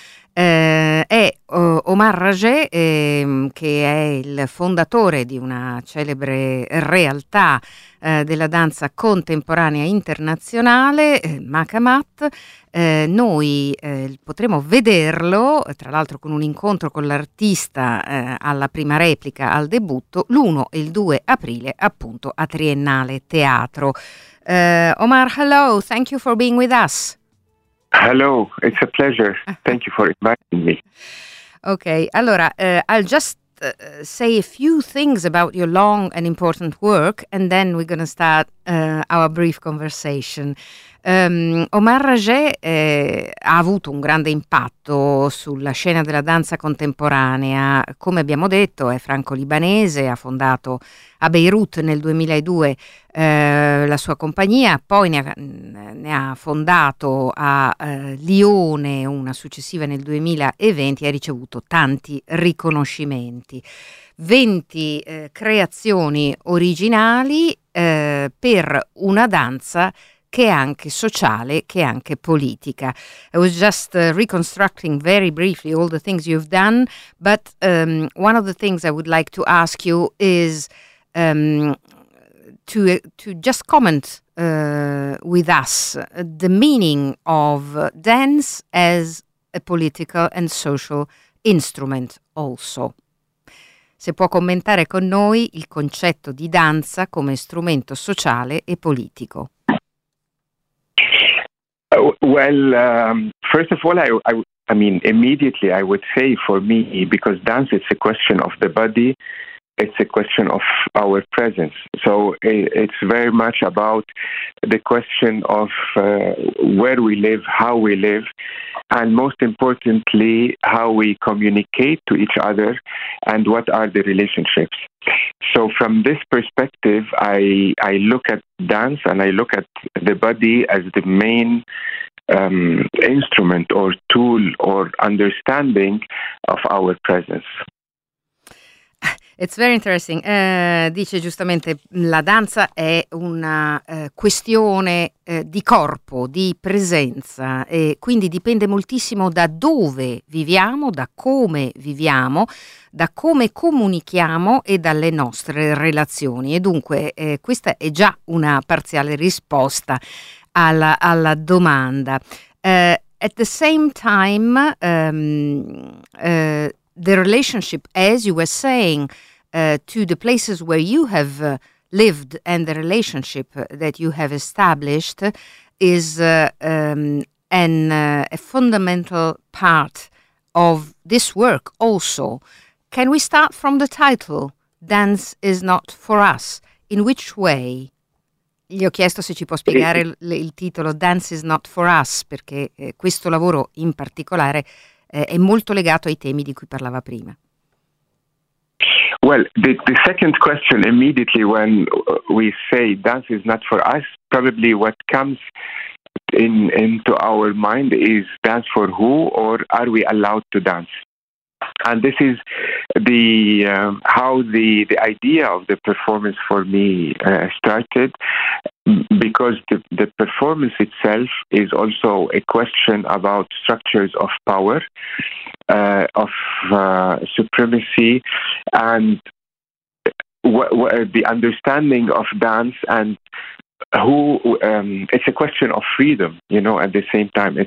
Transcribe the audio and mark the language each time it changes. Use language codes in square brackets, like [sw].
[it] È Omar Rajé, che è il fondatore di una celebre realtà della danza contemporanea internazionale, Makamat. Noi potremo vederlo, tra l'altro con un incontro con l'artista alla prima replica, al debutto, l'1 e il 2 aprile, appunto, a Triennale Teatro. [en] Omar, hello, thank you for being with us. Hello, it's a pleasure. Thank you for inviting me. Okay, allora, I'll just say a few things about your long and important work, and then we're going to start our brief conversation. [it] Omar Rajé ha avuto un grande impatto sulla scena della danza contemporanea. Come abbiamo detto, è franco-libanese, ha fondato a Beirut nel 2002 la sua compagnia, poi ne ha fondato a Lione una successiva nel 2020 e ha ricevuto tanti riconoscimenti. 20 creazioni originali per una danza che è anche sociale, che è anche politica. [en] I was just reconstructing very briefly all the things you've done, but one of the things I would like to ask you is to just comment with us the meaning of dance as a political and social instrument also. [it] Se può commentare con noi il concetto di danza come strumento sociale e politico. [en] Well, first of all, I mean, immediately I would say for me, because dance is a question of the body, it's a question of our presence. So it's very much about the question of where we live, how we live, and most importantly, how we communicate to each other and what are the relationships. So from this perspective, I look at dance and I look at the body as the main instrument or tool or understanding of our presence. It's very interesting. [it] Dice giustamente, la danza è una questione di corpo, di presenza, e quindi dipende moltissimo da dove viviamo, da come comunichiamo e dalle nostre relazioni. E dunque questa è già una parziale risposta alla domanda. [en] At the same time, the relationship, as you were saying, to the places where you have lived and the relationship that you have established is a fundamental part of this work also. Can we start from the title, Dance is Not for Us? In which way? [it] Gli ho chiesto se ci può spiegare il titolo Dance is Not for Us, perché questo lavoro in particolare è molto legato ai temi di cui parlava prima. [en] Well, the second question immediately when we say dance is not for us, probably what comes into our mind is dance for who, or are we allowed to dance? And this is the how the idea of the performance for me started, because the performance itself is also a question about structures of power, of supremacy, and the understanding of dance and who it's a question of freedom, you know, at the same time.